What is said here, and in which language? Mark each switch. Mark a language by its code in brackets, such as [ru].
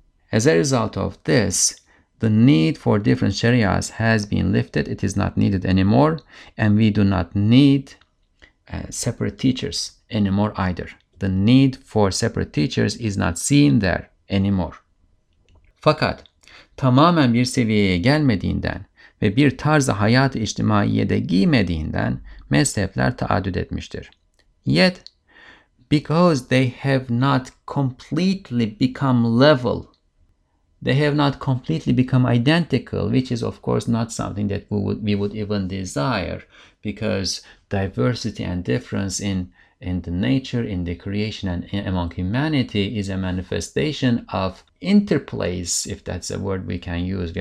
[en] As a result of this, the need for different sharias has been lifted. It is not needed anymore, and we do not need separate teachers anymore either. The need for separate teachers is not seen there anymore. [tr] Fakat tamamen bir seviyeye gelmediğinden ve bir tarzı hayat-ı içtimaiye de giymediğinden mezhepler taaddüt etmiştir. [en] Yet, because they have not completely become level, they have not completely become identical, which is of course not something that we would even desire, because diversity and difference in the nature, in the creation, and among humanity is a manifestation of interplace, if that's a word we can use.